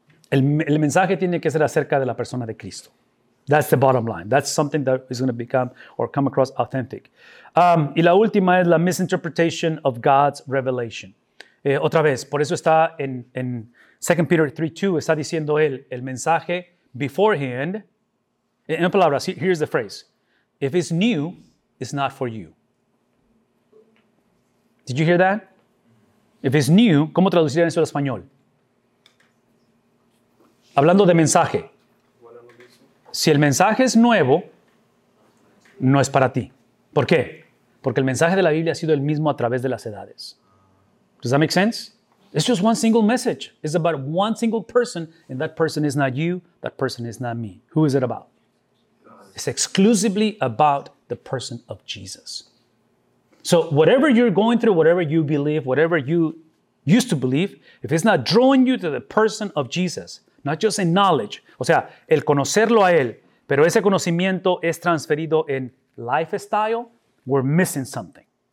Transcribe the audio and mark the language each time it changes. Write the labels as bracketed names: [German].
[Spanish] El mensaje tiene que ser acerca de la persona de Cristo. [English] That's the bottom line. That's something that is going to become or come across authentic. [Spanish] Y la última es la [English] misinterpretation of God's revelation. [Spanish] Otra vez, por eso está en 2 Peter 3:2 está diciendo él el mensaje beforehand. En palabras, [English] here's the phrase. If it's new, it's not for you. Did you hear that? If it's new, [Spanish] ¿cómo traduciría eso al español? Hablando de mensaje. Si el mensaje es nuevo, no es para ti. ¿Por qué? Porque el mensaje de la Biblia ha sido el mismo a través de las edades. [English] Does that make sense? It's just one single message. It's about one single person, and that person is not you, that person is not me. Who is it about? It's exclusively about the person of Jesus. So whatever you're going through, whatever you believe, whatever you used to believe, if it's not drawing you to the person of Jesus, not just in knowledge, [Spanish] o sea, el conocerlo a él, pero ese conocimiento es transferido en lifestyle, [English] we're missing something.